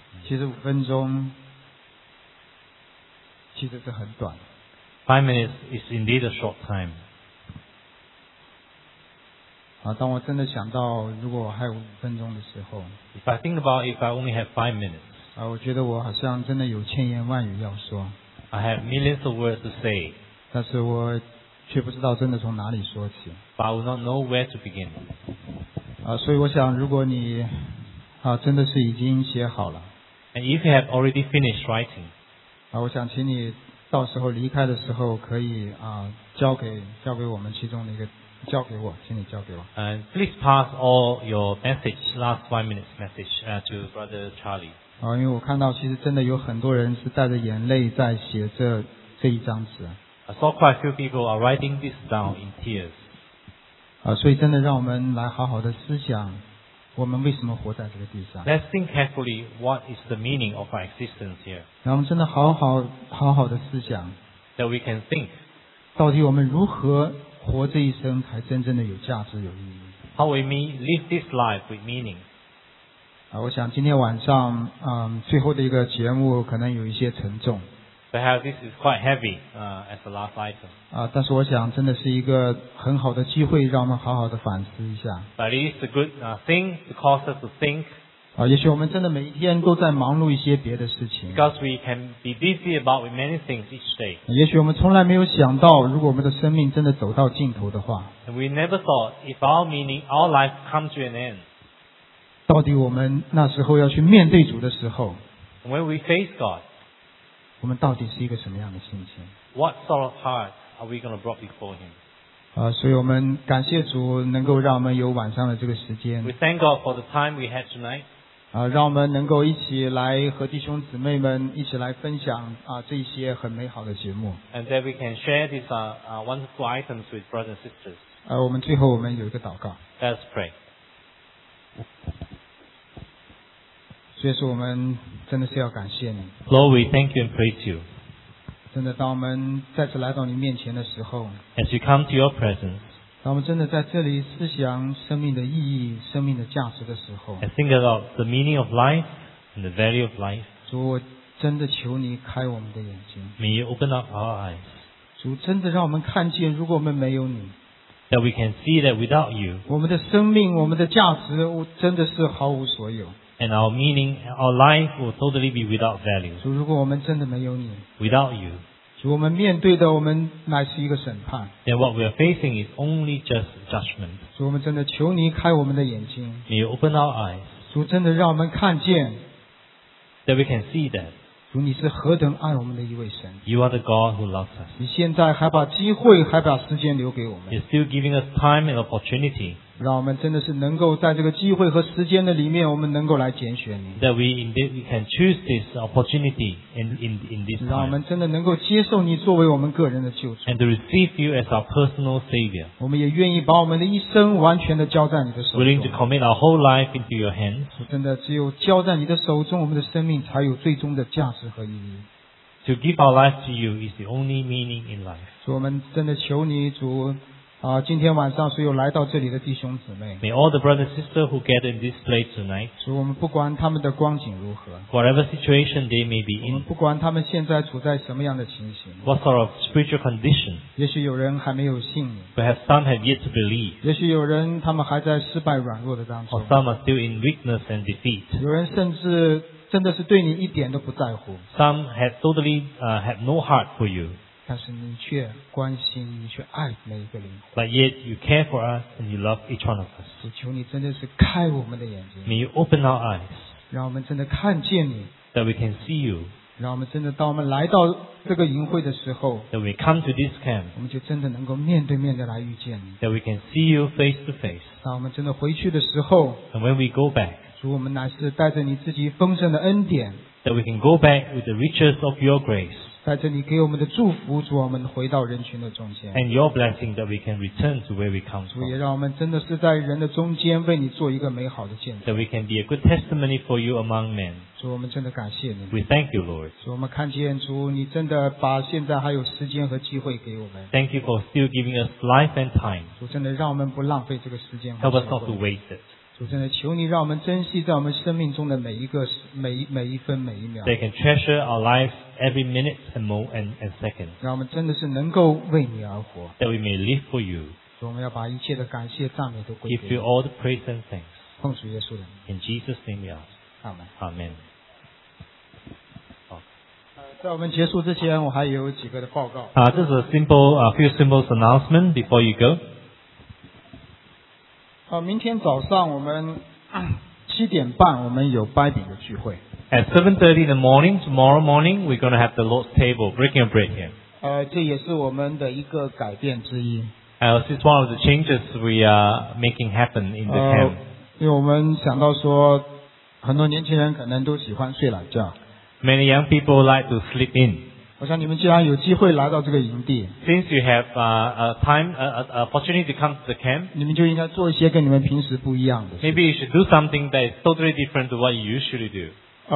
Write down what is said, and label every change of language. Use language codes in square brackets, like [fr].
[zh] 其实五分钟其实是很短。 [en] 5 minutes is indeed a short time. [zh] 啊，当我真的想到如果我还有五分钟的时候， [en] If I think about if I only have 5 minutes, [zh] 啊，我觉得我好像真的有千言万语要说。 [en] I have millions of words to say. [zh] 但是我却不知道真的从哪里说起。 [en] But I will not know where to begin. [zh] 啊，所以我想，如果你啊真的是已经写好了， [en] And if you have already finished writing, [zh] 啊，我想请你到时候离开的时候可以啊交给我们其中的一个，交给我，请你交给我。 [en] And please pass all your message, last 5 minutes message, to Brother Charlie. [zh] 啊，因为我看到其实真的有很多人是带着眼泪在写这一张纸。 [en] I saw quite a few people are writing this down in tears. [zh] 啊，所以真的让我们来好好的思想，我们为什么活在这个地上。 [en] Let's think carefully what is the meaning of our existence here. [zh] 让我们真的好好好好的思想。 [en] That we can think. [zh] 到底我们如何活这一生才真正的有价值有意义。 [en] How we may live this life with meaning. [zh] 我想今天晚上，最后的一个节目可能有一些沉重。 [en] Perhaps this is quite heavy, as the last item. [zh] 但是我想真的是一个很好的机会，让我们好好的反思一下。 [en] But it is a good thing to cause us to think. [zh] 也许我们真的每一天都在忙碌一些别的事情。 [en] Because we can be busy about many things each day. [zh] 也许我们从来没有想到，如果我们的生命真的走到尽头的话。 [en] And we never thought if our life comes to an end. [zh] 到底我们那时候要去面对主的时候， [en] When we face God, [zh] 我们到底是一个什么样的心情？ [en] What sort of heart are we going to bring before Him? [zh] 所以我们感谢主能够让我们有晚上的这个时间。 [en] We thank God for the time we had tonight. [zh] 让我们能够一起来和弟兄姊妹们一起来分享这些很美好的节目。 [en] And that we can share these wonderful items with brothers and sisters. [zh] 我们最后我们有一个祷告。 [en] Let's pray. [zh] 所以说我们真的是要感谢你。 [en] Lord, we thank you and praise you. [zh] 真的当我们再次来到你面前的时候， [en] As you come to your presence, [zh] 当我们真的在这里思想生命的意义，生命的价值的时候， [en] I think about the meaning of life and the value of life. [zh] 主，我真的求你开我们的眼睛。 [en] May you open up our eyes. [zh] 主，真的让我们看见，如果我们没有你， [en] That we can see that without you, [zh] 我们的生命，我们的价值真的是毫无所有。 [en] And our meaning, our life will totally be without value. [zh] 主，如果我们真的没有你， [en] without you, [zh] 主，我们面对的我们乃是一个审判。 [en] Then what we are facing is only just judgment. [zh] 主，我们真的求你开我们的眼睛。 [en] May you open our eyes. [zh] 主，真的让我们看见。 [en] That we can see that. [zh] 主，你是何等爱我们的一位神。 [en] You are the God who loves us. [zh] 你现在还把机会，还把时间留给我们。 [en] You're still giving us time and opportunity. [zh] 让我们真的是能够在这个机会和时间的里面，我们能够来拣选你。 [en] That we indeed can choose this opportunity in this time. [zh] 让我们真的能够接受你作为我们个人的救主。 [en] And to receive you as our personal savior. [zh] 我们也愿意把我们的一生完全的交在你的手中。 [en] Willing to commit our whole life into your hands. [zh] 真的，只有交在你的手中，我们的生命才有最终的价值和意义。 [en] To give our life to you is the only meaning in life. [zh] 主，我们真的求你，主。今天晚上所有来到这里的弟兄姊妹， [en] May all the brothers and sisters who gather in this place tonight, [zh] 主，我们不管他们的光景如何， [en] Whatever situation they may be in, [zh] 我们不管他们现在处在什么样的情形， [en] What sort of spiritual condition, [zh] 也许有人还没有信你， [en] Perhaps some have yet to believe, [zh] 也许有人他们还在失败软弱的当中， [en] Or some are still in weakness and defeat, [zh] 有人甚至真的是对你一点都不在乎， [en] Some have totally have no heart for you, [zh] 但是你却关心，你却爱每一个灵魂。 [en] But yet you care for us and you love each one of us. [zh] 主，求你真的是开我们的眼睛。 [en] May you open our eyes. [zh] 让我们真的看见你。 [en] That we can see you. [zh] 让我们真的当我们来到这个营会的时候。 [en] That we come to this camp. [zh] 我们就真的能够面对面的来遇见你。 [en] That we can see you face to face. [zh] 当我们真的回去的时候。 [en] And when we go back. [zh] 主，我们乃是带着你自己丰盛的恩典。 [en] That we can go back with the riches of your grace. [zh] 在这里给我们的祝福，主，我们回到人群的中间。 [en] And your blessing that we can return to where we come from. [zh] 主，也让我们真的是在人的中间为你做一个美好的见证。 [en] That we can be a good testimony for you among men. [zh] 主，我们真的感谢你。 [en] We thank you, Lord. [zh] 主，我们看见主，你真的把现在还有时间和机会给我们。 [en] Thank you for still giving us life and time. [zh] 主，真的让我们不浪费这个时间。 [en] Help us not to waste it. [zh] 主真的求你让我们珍惜在我们生命中的每一分每一秒。 [en] They can treasure our lives every minute and more and second. [zh] 让我们真的是能够为你而活。 [en] That we may live for you. [zh] 我们要把一切的感谢赞美都归给你。 [en] Give you all the praise and thanks. [zh] 奉主耶稣的名。 [en] In Jesus' name we ask. Amen. Amen. [zh] 在我们结束之前，我还有几个的报告。 [en] This is a simple, a few simple announcements before you go. [zh] 明天早上我们七点半我们有掰饼的聚会。 [en] At 7:30 in the morning, tomorrow morning, we're going to have the Lord's table, breaking of bread here. [zh] 这也是我们的一个改变之一。 [en] This is one of the changes we are making happen in the camp. [zh] 因为我们想到说，很多年轻人可能都喜欢睡懒觉。 [en] Many young people like to sleep in. [zh] 我想你们既然有机会来到这个营地 [en] ，Since you have a time, opportunity to come to the camp， [zh] 你们就应该做一些跟你们平时不一样的。 [en] Maybe you should do something that is totally different to what you usually do。